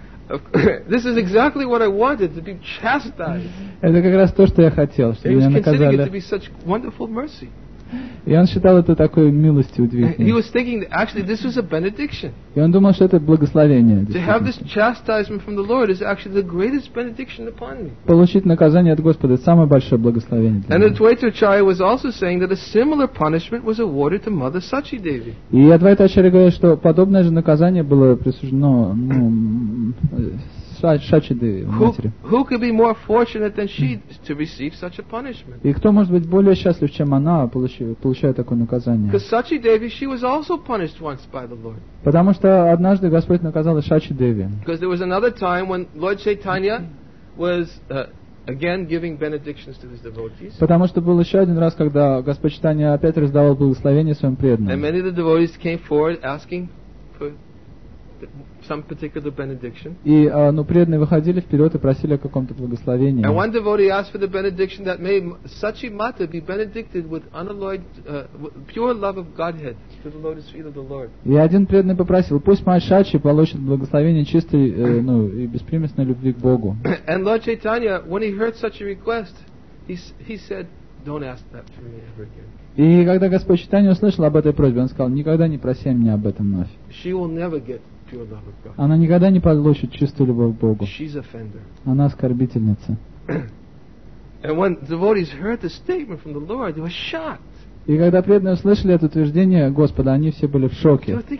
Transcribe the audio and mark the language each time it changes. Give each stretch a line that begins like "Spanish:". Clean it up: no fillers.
English: This is exactly what I wanted, to be chastised.
Russian: Это как раз то, что я хотел, чтобы меня наказали.
English: He was considering it to be such wonderful mercy.
Russian: И он считал это такой милостью удивительной.
English: He was thinking that actually this was a benediction.
Russian: И он думал, что это благословение.
English: To have this chastisement from the Lord is actually the greatest benediction upon me.
Russian: Получить наказание от Господа — это самое большое благословение для меня.
English: And Advaita Acharya was also saying that a similar punishment was awarded to Mother Sachi Devi.
Russian: И Адвайта Ачарья говорит, что подобное же наказание было присуждено, ну,
English: Who could be more fortunate than she to receive such a punishment?
Russian: И кто может быть более счастлив, чем она, получая такое наказание?
English: Because Sachi Devi, she was also punished once by the Lord.
Russian: Потому что однажды Господь наказал Сачи Деви.
English: Because there was another time when Lord Chaitanya was again giving benedictions to his devotees.
Russian: Потому что был еще один раз, когда Господь Чайтанья опять раздавал благословения своим преданным.
English: And many of the devotees came forward asking for some particular benediction.
Russian: И, ну, преданные выходили вперед и просили о каком-то благословении.
English: And one devotee asked for the benediction that may Sachi Mata be benedicted with unalloyed pure love of Godhead to the lotus feet of the Lord.
Russian: И один преданный попросил, пусть мать Шачи получит благословение чистой, ну, и беспримесной любви к Богу.
English: And Lord Chaitanya, when he heard such a request, he said, "Don't ask that from me ever again."
Russian: И когда Господь Читания услышал об этой просьбе, он сказал, никогда не проси меня об этом вновь. Она никогда не получит чистую любовь к Богу. Она оскорбительница. И когда преданные услышали это утверждение Господа, они все были в шоке.